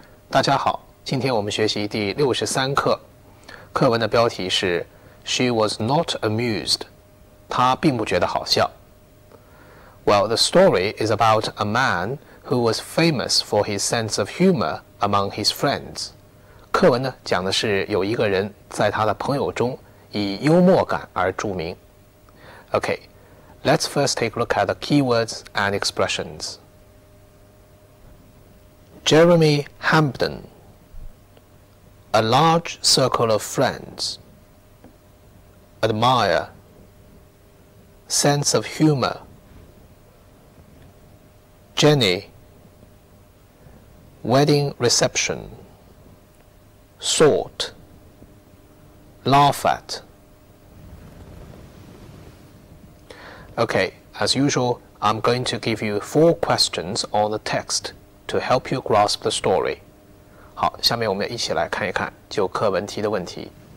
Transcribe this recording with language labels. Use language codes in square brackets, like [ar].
[zh] 大家好，今天我们学习第63课，课文的标题是 [en] She Was Not Amused. [zh] 她并不觉得好笑。 [en] Well, the story is about a man who was famous for his sense of humor among his friends. [zh] 课文呢讲的是有一个人在他的朋友中以幽默感而著名。 [en] Okay, let's first take a look at the keywords and expressions. Jeremy Hampden, a large circle of friends, admire, sense of humor, Jenny, wedding reception. Sort, laugh at. Okay, as usual, I'm going to give you four questions on the text to help you grasp the story. [zh] 好，下面我们一起来看一看就课文提的问题。